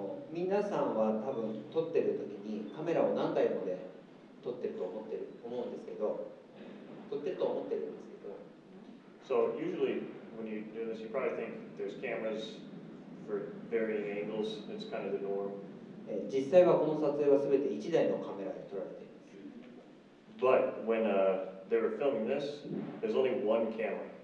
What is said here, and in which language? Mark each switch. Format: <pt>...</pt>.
<ja>皆さんは多分撮ってる時にカメラを何台もで撮ってると思ってる思うんですけど、撮ってると思ってるんですけど。</ja> <en>So usually when you do this, you probably think there's cameras for varying angles. It's kind of the norm.</en> <ja>実際はこの撮影はすべて1台のカメラで撮られています。</ja> <en>But when they were filming this, there's only one camera.</en>